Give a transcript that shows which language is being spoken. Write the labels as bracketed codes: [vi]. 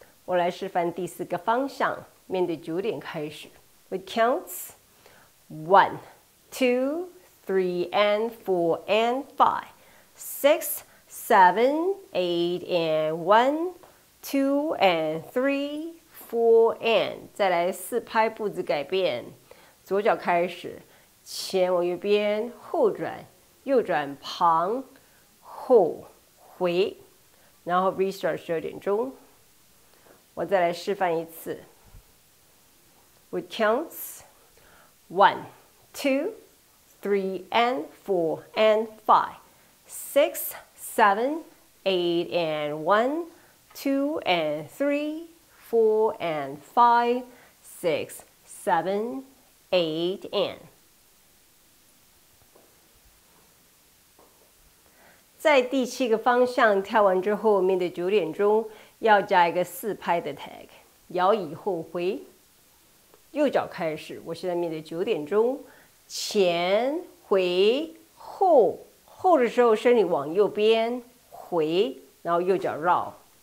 [zh] 我来示范第四个方向，面对九点开始 ， [en] we count one。 Two, three, and four, and five, six, seven, eight, and one, two, and three, four, and. [zh] 再来四拍步子改变，左脚开始，前往右边，后转，右转旁，后回，然后 restart 十二点钟。我再来示范一次。 [en] We count one, two. Three and four and five, six, seven, eight and one, two and three, four and five, six, seven, eight and. [zh] 在第七个方向跳完之后，面对九点钟，要加一个四拍的 tag， 摇椅后回，右脚开始。我现在面对九点钟。前回后，后的时候身体往右边回，然后右脚绕。